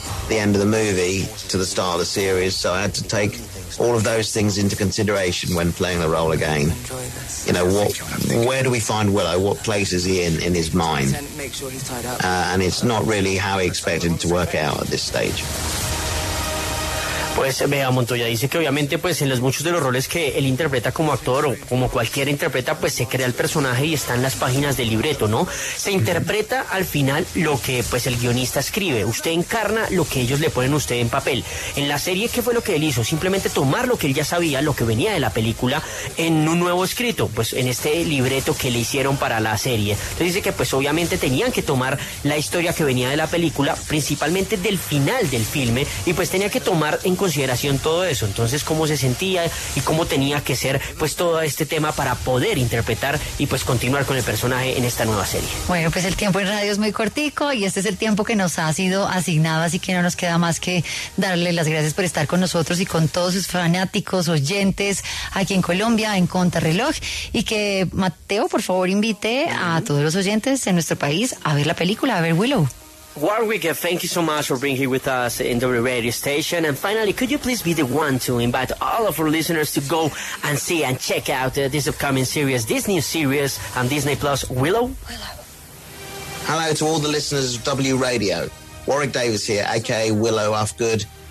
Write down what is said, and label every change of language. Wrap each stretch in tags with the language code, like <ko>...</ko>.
<en>the end of the movie to the start of the series, so I had to take all of those things into consideration when playing the role again. You know, what, where do we find Willow? What place is he in his mind? And it's not really how he expected to work out at this stage.</en> <es>Pues vea, Montoya dice que obviamente pues en los muchos de los roles que él interpreta como actor o como cualquier interpreta, pues se crea el personaje y está en las páginas del libreto, ¿no? Se interpreta al final lo que pues el guionista escribe. Usted encarna lo que ellos le ponen a usted en papel. En la serie, ¿qué fue lo que él hizo? Simplemente tomar lo que él ya sabía, lo que venía de la película, en un nuevo escrito, pues en este libreto que le hicieron para la serie. Entonces dice que pues obviamente tenían que tomar la historia que venía de la película, principalmente del final del filme, y pues tenía que tomar en consideración todo eso, entonces cómo se sentía y cómo tenía que ser pues todo este tema para poder interpretar y pues continuar con el personaje en esta nueva serie. Bueno, pues el tiempo en radio es muy cortico y este es el tiempo que nos ha sido asignado, así que no nos queda más que darle las gracias por estar con nosotros y con todos sus fanáticos, oyentes aquí en Colombia, en Contrarreloj, y que Mateo, por favor, invite a todos los oyentes en nuestro país a ver la película, a ver Willow.</es> <en>Warwick, thank you so much for being here with us in the radio station. And finally, could you please be the one to invite all of our listeners to go and see and check out this upcoming series, this new series on Disney Plus, Willow? Hello to all the listeners of W Radio. Warwick Davis here, aka Willow Offgood.</en>